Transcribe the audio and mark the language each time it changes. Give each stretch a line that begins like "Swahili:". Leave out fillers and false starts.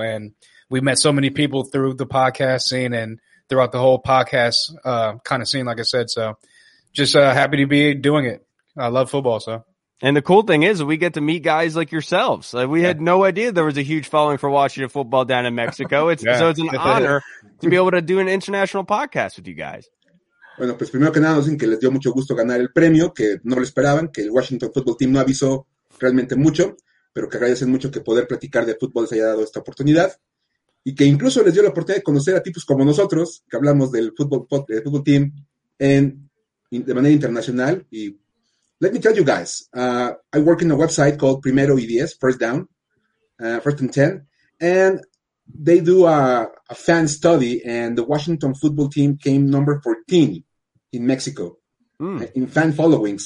English: And we met so many people through the podcast scene and throughout the whole podcast kind of scene, like I said. So just happy to be doing it. I love football, so. And the cool thing is we get to meet guys like yourselves. We had no idea there was a huge following for Washington football down in Mexico. So it's an honor to be able to do an international podcast with you guys.
Spanish: Bueno, pues primero que nada, dicen que les dio mucho gusto ganar el premio, que no lo esperaban, que el Washington Football Team no avisó realmente mucho, pero que agradecen mucho que poder platicar de fútbol les haya dado esta oportunidad. Y que incluso les dio la oportunidad de conocer a tipos como nosotros, que hablamos del fútbol team de manera internacional.
English: Y let me tell you guys, I work in a website called Primero y Diez, First Down, First and Ten, and they do a fan study, and the Washington football team came number 14 in Mexico in fan following.